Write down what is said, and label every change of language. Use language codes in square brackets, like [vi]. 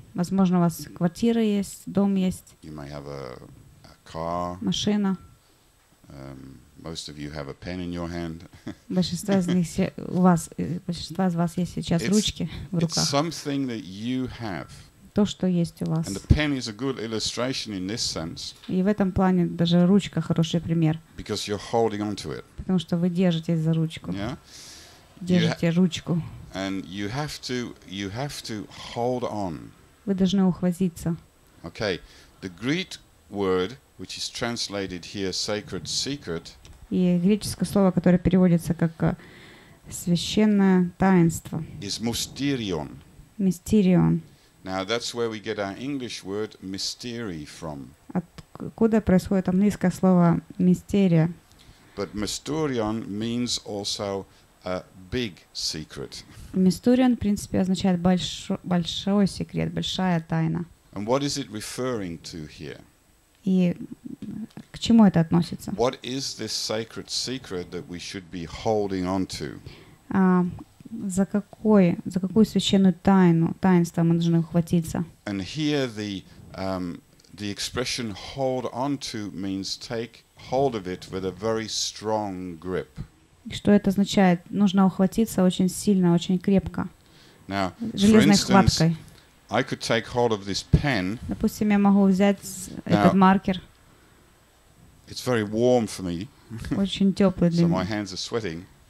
[ru] возможно, у вас квартира есть, дом есть. [en] You may have a car. [ru] Машина. [en] Most of you have a pen in your hand. [ru] Большинство из вас есть сейчас ручки в руках. [en] It's something that you have. [ru] То, что есть у вас. [en] And the pen is a good illustration in this sense. [ru] И в этом плане даже ручка хороший пример. [en] Because you're holding on to it. [ru] Потому что вы держитесь за ручку. [en] Yeah? [ru] Держите ручку. [en] And you have to hold on. [ru] Вы должны ухватиться. [en] Okay. The Greek word, which is translated here sacred secret. [ru] И греческое слово, которое переводится как священное таинство. [en] Is mysterion. Mysterion. Now that's where we get our English word mystery from. [ru] Откуда происходит английское слово мистерия? [en] But mysterion means also a big secret. [ru] Mysterion, в принципе, означает большой секрет, большая тайна. [en] And what is it referring to here? [ru] И К чему это относится? [en] What is this sacred secret that we should be holding on to? [ru] За какую священную таинство мы должны ухватиться? [en] And here the expression hold on to means take hold of it with a very strong grip. [ru] Что это означает? Нужно ухватиться очень сильно, очень крепко. [en] Now, [ru] железной [en] for instance, [ru] хваткой. [en] I could take hold of this pen. [ru] Допустим, я могу взять этот маркер. [en] It's very warm for me. [ru] Очень теплый для меня. [en] So my hands are sweating.